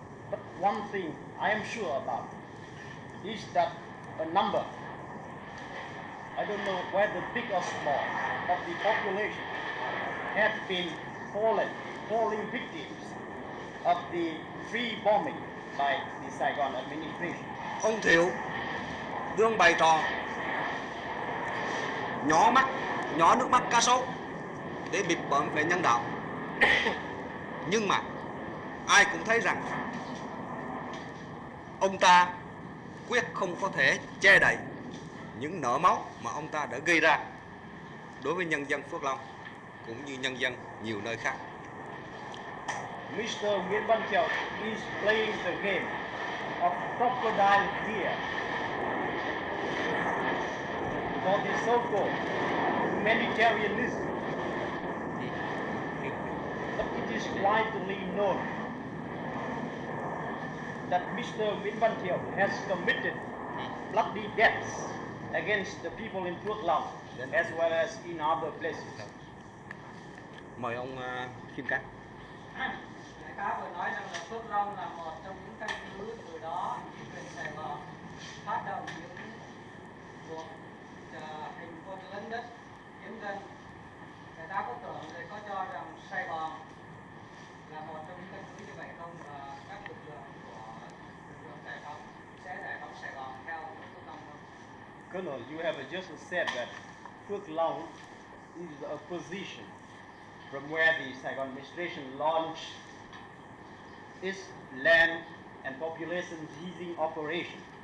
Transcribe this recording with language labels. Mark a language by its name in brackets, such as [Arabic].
[English] But one thing I am sure about is that a number, I don't know whether big or small, of the population have been falling victims of the free bombing by the Saigon administration. [Vietnamese] Ông Thiệu đương bày trò nhỏ mắt, nhỏ nước mắt cá sấu để bịt bợm về nhân đạo. Nhưng mà ai cũng thấy rằng ông ta quyết không có thể che đậy những nợ máu mà ông ta đã gây ra đối với nhân dân Phước Long cũng như nhân dân nhiều nơi khác. [English] Mr. Nguyễn Văn Thiệu is playing the game of crocodile tears for the so-called humanitarianism. But it is widely known that Mr. Nguyễn Văn Thiệu has committed bloody deaths against the people in Phước Long as well as in other places. [Vietnamese] Mời ông Kim Cát. Đại tá vừa nói rằng là Phước Long là một trong những căn cứ từ đó quyền Sài Gòn phát động những cuộc hành quân lấn đất chiếm dân. Đại tá có tưởng thì có cho rằng Sài Gòn là một trong những căn cứ như vậy không, và các lực lượng của lực lượng giải phóng sẽ giải phóng Sài Gòn theo Phước Long không? [English] Colonel, you have just said that Phước Long is a position from where the Saigon administration launched its land and population seizing operation.